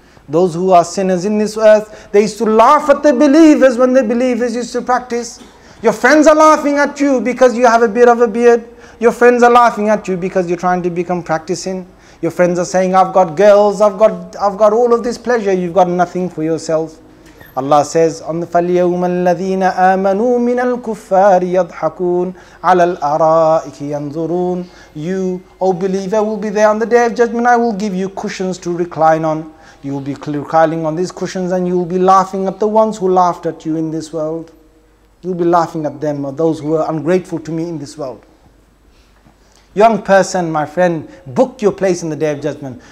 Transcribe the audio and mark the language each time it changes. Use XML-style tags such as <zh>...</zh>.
<en>Those who are sinners in this earth, they used to laugh at the believers when the believers used to practice. Your friends are laughing at you because you have a bit of a beard. Your friends are laughing at you because you're trying to become practicing. Your friends are saying, I've got girls, I've got all of this pleasure, you've got nothing for yourself. Allah says, on the</en> <ar>فَالْيَوْمَ الَّذِينَ آمَنُوا مِنَ الْكُفَّارِ يَضْحَكُونَ عَلَى الْأَرَائِكِ يَنْظُرُونَ.</ar> <en>You, O believer, will be there on the Day of Judgment. I will give you cushions to recline on. You'll be reclining on these cushions and you'll be laughing at the ones who laughed at you in this world. You'll be laughing at them, or those who are ungrateful to me in this world. Young person, my friend, book your place in the Day of Judgment.</en>